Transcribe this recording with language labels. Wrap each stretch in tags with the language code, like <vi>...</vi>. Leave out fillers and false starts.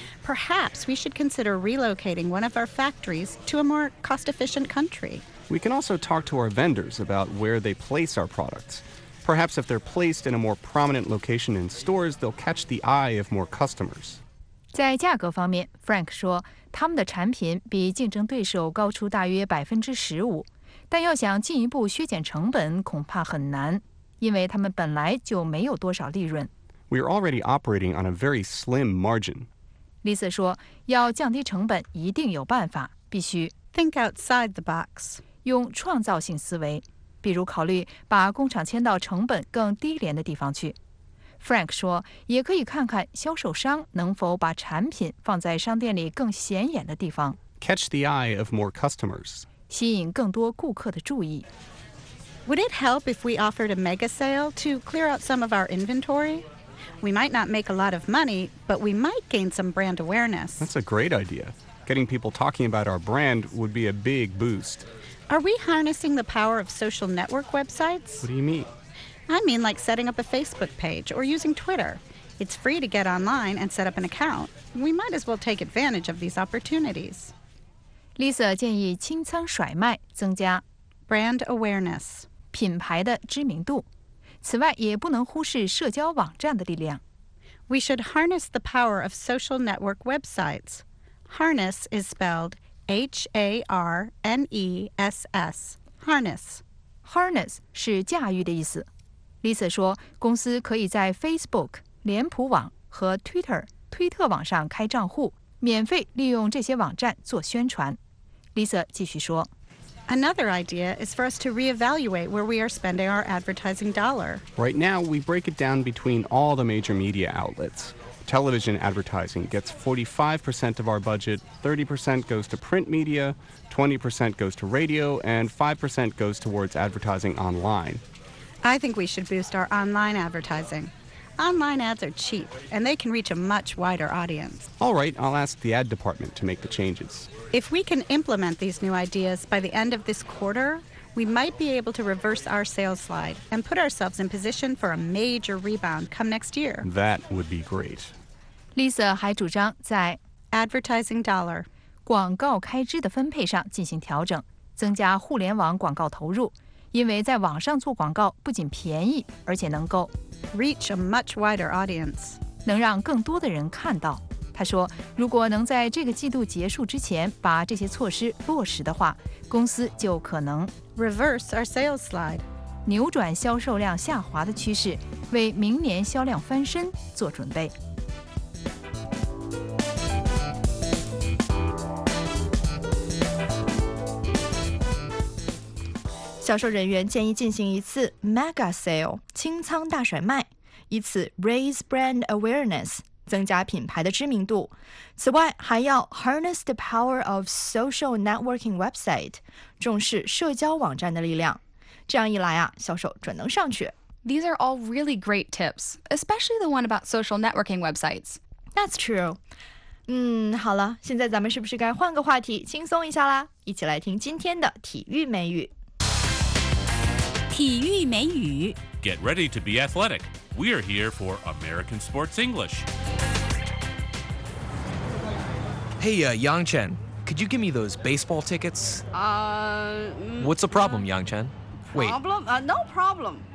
<en>Perhaps we should consider relocating one of our factories to a more cost-efficient country. We can also talk to our vendors about where they place our products. Perhaps if they're placed in a more prominent location in stores, they'll catch the eye of more customers.</en> <zh>在价格方面 ,Frank 说他们的产品比竞争对手高出大约 15%, 但要想进一步削减成本恐怕很难，因为他们本来就没有多少利润。</zh> <en>We are already operating on a very slim margin.</en> <zh>Lisa 说要降低成本一定有办法，必须</zh> <en>think outside the box，</en> <zh>用创造性思维，比如考虑把工厂迁到成本更低廉的地方去。 Frank 说也可以看看销售商能否把产品放在商店里更显眼的地方，</zh> <en>catch the eye of more customers，</en> <zh>吸引更多顾客的注意。</zh> <en>Would it help if we offered a mega sale to clear out some of our inventory? We might not make a lot of money, but we might gain some brand awareness. That's a great idea. Getting people talking about our brand would be a big boost. Are we harnessing the power of social network websites? What do you mean? I mean like setting up a Facebook page or using Twitter. It's free to get online and set up an account. We might as well take advantage of these opportunities.</en> <zh>Lisa 建议清仓甩卖，增加</zh> <en>brand awareness</en> <zh>品牌的知名度。此外，也不能忽视社交网站的力量。</zh> <en>We should harness the power of social network websites. Harness is spelled H-A-R-N-E-S-S. Harness.</en> <zh>Harness 是驾驭的意思。Lisa 说，公司可以在 Facebook、脸谱网和 Twitter、推特网上开账户，免费利用这些网站做宣传。 Lisa 继续说。</zh> <en>Another idea is for us to reevaluate where we are spending our advertising dollar. Right now, we break it down between all the major media outlets. Television advertising gets 45% of our budget, 30% goes to print media, 20% goes to radio, and 5% goes towards advertising online. I think we should boost our online advertising. Online ads are cheap, and they can reach a much wider audience. All right, I'll ask the ad department to make the changes. If we can implement these new ideas by the end of this quarter, we might be able to reverse our sales slide and put ourselves in position for a major rebound come next year. That would be great.</en> <zh>Lisa 还主张在</zh> <en>advertising dollar</en> <zh>广告开支的分配上进行调整，增加互联网广告投入，因为在网上做广告不仅便宜，而且能够</zh> <en>reach a much wider audience，</en> <zh>能让更多的人看到。他说，如果能在这个季度结束之前把这些措施落实的话，公司就可能</zh> <en>reverse our sales slide，</en> <zh>扭转销售量下滑的趋势，为明年销量翻身做准备。销售人员建议进行一次 mega sale， 清仓大甩卖，以此</zh> <en>raise brand awareness。</en> <zh>增加品牌的知名度。此外，还要</zh> <en>harness the power of social networking website，</en> <zh>重视社交网站的力量。这样一来啊，销售准能上去。</zh> <en>These are all really great tips, especially the one about social networking websites. That's true.</en> <zh>好了，现在咱们是不是该换个话题，轻松一下啦？一起来听今天的体育美语。体育美语。</zh> <en>Get ready to be athletic. We are here for American Sports English. Hey, Yangchen, could you give me those baseball tickets? What's the problem, Yangchen? Problem? No problem.</en>